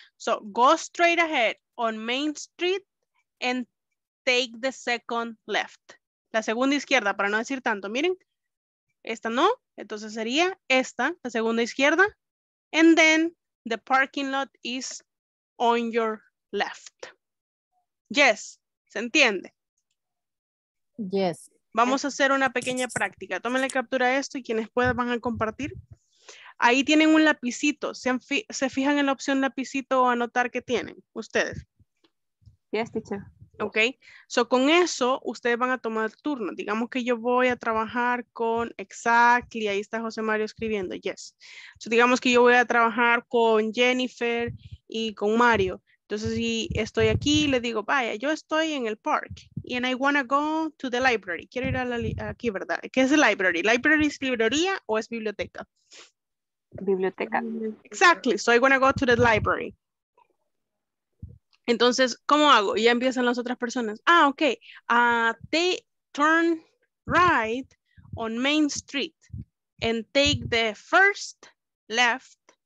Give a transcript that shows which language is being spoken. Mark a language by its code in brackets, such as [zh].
[en] So go straight ahead on Main Street and take the second left. [es] La segunda izquierda, para no decir tanto, miren. Esta no, entonces sería esta, la segunda izquierda. [en] And then the parking lot is on your left. [es] Yes, ¿se entiende? [en] Yes. [es] Vamos a hacer una pequeña práctica. Tómenle captura a esto y quienes puedan van a compartir. Ahí tienen un lapicito. ¿Se fijan en la opción lapicito o anotar que tienen ustedes? [en] Yes, teacher. [es] Ok. So, con eso, ustedes van a tomar turno. Digamos que yo voy a trabajar con... Exactly. Ahí está José Mario escribiendo. Yes. So, digamos que yo voy a trabajar con Jennifer y con Mario. Entonces, si estoy aquí, le digo, vaya, yo estoy en el park. [en] And I want to go to the library. [es] Quiero ir a la aquí, ¿verdad? ¿Qué es el library? ¿Library es librería o es biblioteca? Biblioteca. [en] Exactly. So I'm going to go to the library. [es] Entonces, ¿cómo hago? Ya empiezan las otras personas. [en] Ah, ok. They turn right on Main Street and take the first left.